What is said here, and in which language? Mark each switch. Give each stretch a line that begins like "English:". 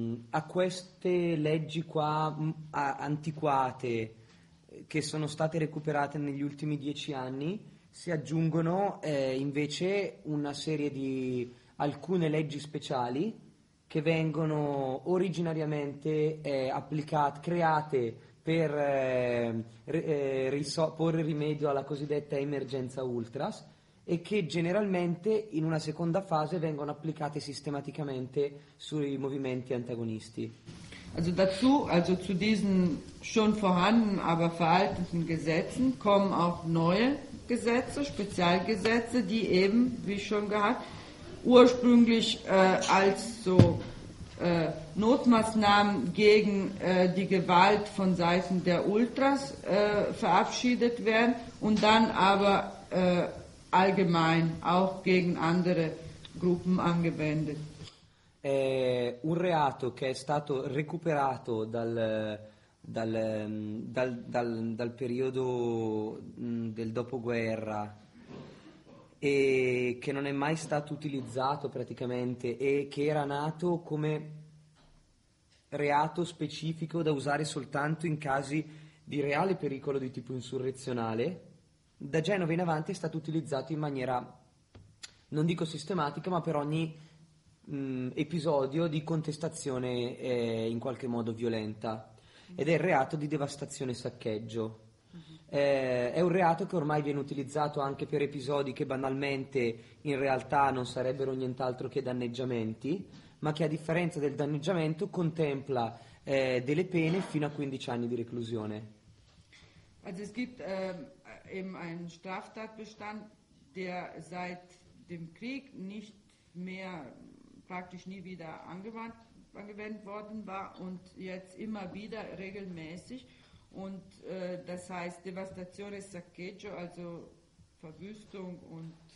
Italian: A queste leggi qua antiquate, che sono state recuperate negli ultimi 10 anni, si aggiungono invece una serie di alcune leggi speciali che vengono originariamente applicate, create per porre rimedio alla cosiddetta emergenza ultras e che generalmente in una seconda fase vengono applicate sistematicamente sui movimenti antagonisti.
German: Also dazu, also zu diesen schon vorhandenen, aber veralteten Gesetzen kommen auch neue Gesetze, Spezialgesetze, die eben, wie schon gesagt, ursprünglich als so Notmaßnahmen gegen die Gewalt von Seiten der Ultras verabschiedet werden und dann aber allgemein auch gegen andere Gruppen angewendet.
Italian: È un reato che è stato recuperato dal periodo del dopoguerra e che non è mai stato utilizzato praticamente e che era nato come reato specifico da usare soltanto in casi di reale pericolo di tipo insurrezionale, da Genova in avanti è stato utilizzato in maniera, non dico sistematica, ma per ogni episodio di contestazione in qualche modo violenta, ed è il reato di devastazione e saccheggio. È un reato che ormai viene utilizzato anche per episodi che banalmente in realtà non sarebbero nient'altro che danneggiamenti, ma che a differenza del danneggiamento contempla delle pene fino a 15 anni di reclusione.
German: Also es gibt eben einen Straftatbestand, der seit dem Krieg nicht mehr, praktisch nie wieder angewendet worden war und jetzt immer wieder regelmäßig. Und das heißt Devastatione e Saccheggio, also Verwüstung und